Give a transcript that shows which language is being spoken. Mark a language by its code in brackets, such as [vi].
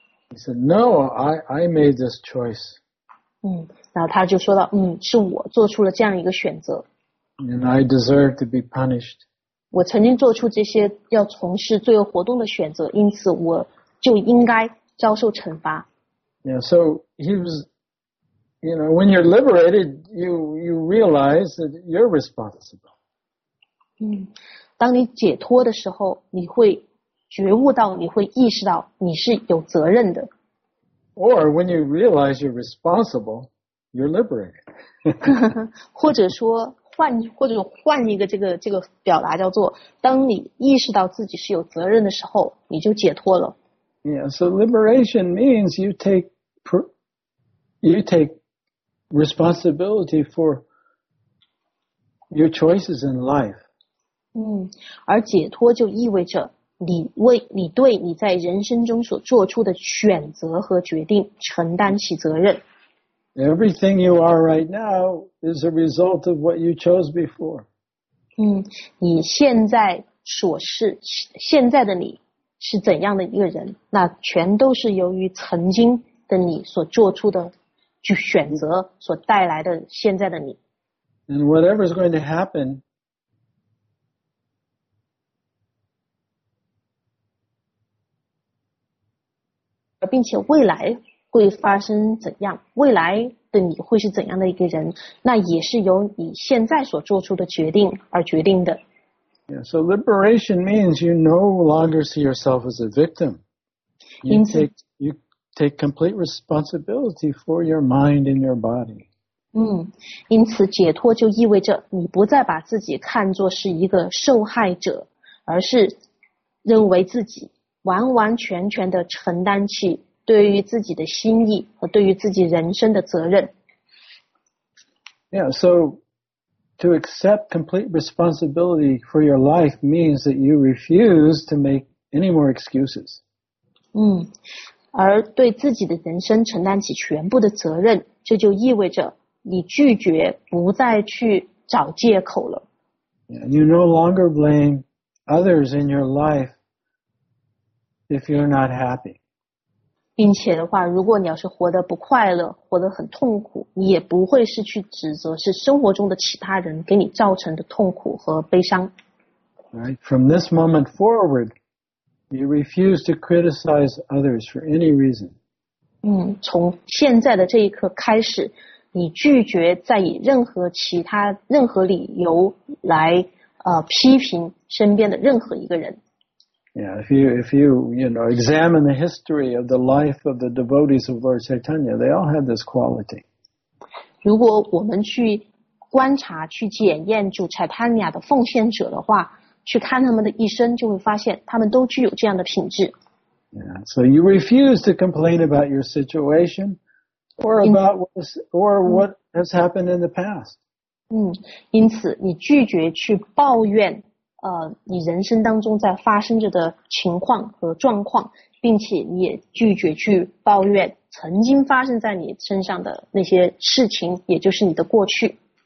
[en] He said, "No, I made this choice." [zh] 然后他就说到，是我做出了这样一个选择。 [en] And I deserve to be punished. [zh] 我曾经做出这些要从事罪恶活动的选择，因此我就应该遭受惩罚。 [en] Yeah, so he was, you know, when you're liberated, you realize that you're responsible. [zh] 当你解脱的时候，你会觉悟到，你会意识到你是有责任的。 [en] Or when you realize you're responsible, you're liberated. [zh] 或者换一个这个表达叫做，当你意识到自己是有责任的时候，你就解脱了。 [en] Yeah, so liberation means you take responsibility for your choices in life. [zh] 而解脱就意味着你对你在人生中所做出的选择和决定承担起责任。 [en] Everything you are right now is a result of what you chose before. [zh] 你现在所是，现在的你是怎样的一个人，那全都是由于曾经的你所做出的选择所带来的现在的你。 [en] And whatever is going to happen, [zh] 并且未来会发生怎样，未来的你会是怎样的一个人，那也是由你现在所做出的决定而决定的。 [en] Yeah, so liberation means you no longer see yourself as a victim. You take complete responsibility for your mind and your body. [zh] 因此解脱就意味着你不再把自己看作是一个受害者，而是认为自己完完全全的承担起对于自己的心意和对于自己人生的责任。 [en] Yeah, so to accept complete responsibility for your life means that you refuse to make any more excuses. [zh] 而对自己的人生承担起全部的责任，这就意味着你拒绝不再去找借口了。 [en] Yeah, you no longer blame others in your life. If you're not happy. [zh] 并且的话，如果你要是活得不快乐，活得很痛苦，你也不会是去指责是生活中的其他人给你造成的痛苦和悲伤。 [en] Right. From this moment forward, you refuse to criticize others for any reason. [zh] 从现在的这一刻开始，你拒绝再以任何理由来批评身边的任何一个人。 [en] Yeah, if you examine the history of the life of the devotees of Lord Chaitanya, they all had this quality. [zh] 如果我们去观察、去检验主 Chaitanya 的奉献者的话，去看他们的一生，就会发现他们都具有这样的品质。 [en] Yeah, so you refuse to complain about your situation or about what has happened in the past. [zh] 因此你拒绝去抱怨。你人生当中在发生着的情况和状况，并且你也拒绝去抱怨曾经发生在你身上的那些事情，也就是你的过去。